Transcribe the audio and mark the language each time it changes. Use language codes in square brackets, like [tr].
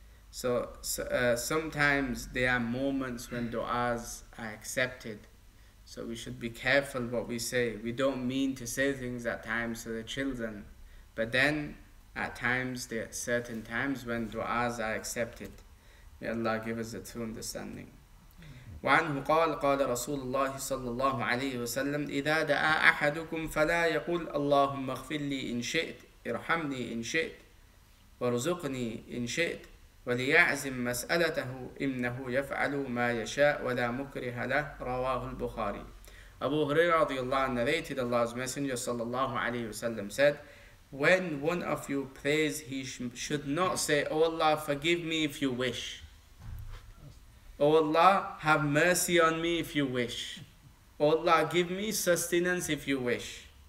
[en] So sometimes there are moments when du'as are accepted. So we should be careful what we say. We don't mean to say things at times to the children. But then at times, there are certain times when du'as are accepted. May Allah give us a true understanding. [ar] وعنه قال قال رسول الله صلى الله عليه وسلم إذا دعا أحدكم فلا يقول اللهم اغفر لي إن شئت ارحمني إن شئت وارزقني إن شئت وليعزم مسألته إنه يفعل ما يشاء ولا مكره له رواه البخاري. [en] أبو هريرة [ar] رضي الله عنه [en] narrated Allah's Messenger [ar] صلى الله عليه وسلم [en] said, when one of you prays, he should not say, oh Allah, forgive me if you wish. Oh Allah, have mercy on me if you wish. Oh Allah, give me sustenance if you wish.